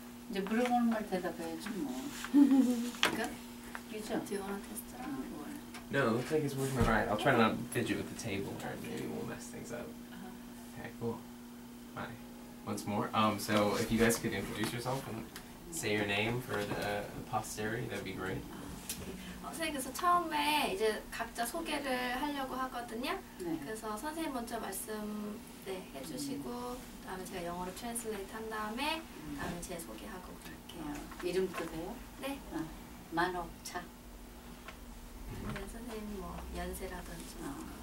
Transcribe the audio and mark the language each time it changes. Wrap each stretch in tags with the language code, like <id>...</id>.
<ko>이제 물어보는 걸 대답해야지 뭐. 그러니까 그죠?</ko> <en>Do you want to test it? No, it looks like it's working alright. I'll try to not fidget with the table, or maybe we'll mess things up. Okay, cool. Bye. Once more. So if you guys could introduce yourself and say your name for the posterity, that'd be great.</en> <ko>선생님께서 처음에 이제 각자 소개를 하려고 하거든요. 네. 그래서 선생님 먼저 말씀 네, 해주시고 그다음에 제가 영어로 트랜슬레이트 한 다음에 그다음에 제 소개하고 그럴게요. 이름 뜨세요? 네. 아, 만옥차. 네, 선생님 뭐 연세라든지 아,</ko>